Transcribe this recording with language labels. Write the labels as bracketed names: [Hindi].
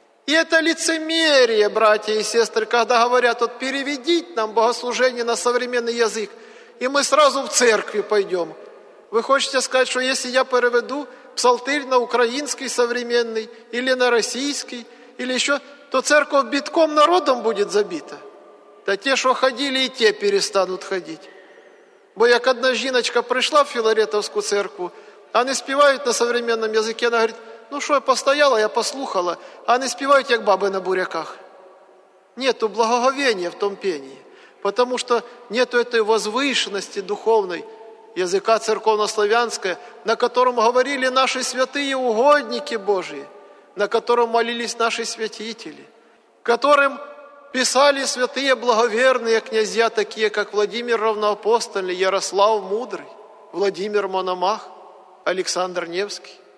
[Russian] И это лицемерие, братья и сестры, когда говорят, вот переведить нам богослужение на современный язык, и мы сразу в церкви пойдем. Вы хотите сказать, что если я переведу псалтырь на украинский современный, или на российский, или еще, то церковь битком народом будет забита? Да те, что ходили, и те перестанут ходить. [Ukrainian] Бо як одна жіночка прийшла в Філаретовську церкву, вони співають [Russian] на современном языке, [Ukrainian] вона говорить, ну що, я постояла, я послухала, а вони співають, як баби на буряках. [Russian] Нету благоговіння в том пении, потому что нету этой возвышенности духовной языка церковнославянского, на котором говорили наши святые угодники Божии, на котором молились наши святители, которым писали святые благоверные князья, такие как Владимир Равноапостольный, Ярослав Мудрый, Владимир Мономах, Александр Невский.